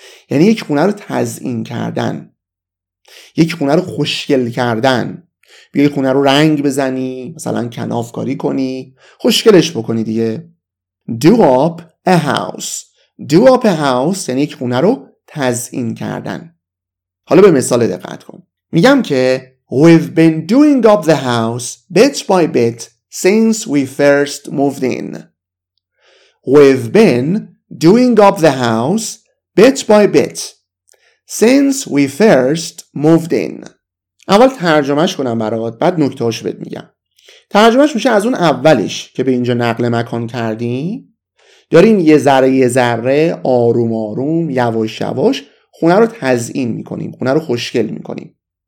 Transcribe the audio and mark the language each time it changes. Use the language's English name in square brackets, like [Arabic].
[Persian] یعنی یک خونه رو تزیین کردن. یک خونه رو خوشگل کردن. بیا یک خونه رو رنگ بزنی، مثلا کناف کاری کنی، خوشگلش بکنی دیگه. [English] Do up a house [Persian] یعنی یک خونه رو تزیین کردن. حالا به مثال دقت کن. میگم که [English] We've been doing up the house bit by bit since we first moved in. We've been doing up the house bit by bit since we first moved in. [Persian] اول ترجمهش کنم برات، بعد نکته هاشو بهت میگم. ترجمهش میشه از اون اولش که به اینجا نقل مکان کردیم، داریم یه ذره یه ذره آروم آروم یواش یواش خونه رو تزیین میکنیم، خونه رو خوشگل میکنیم.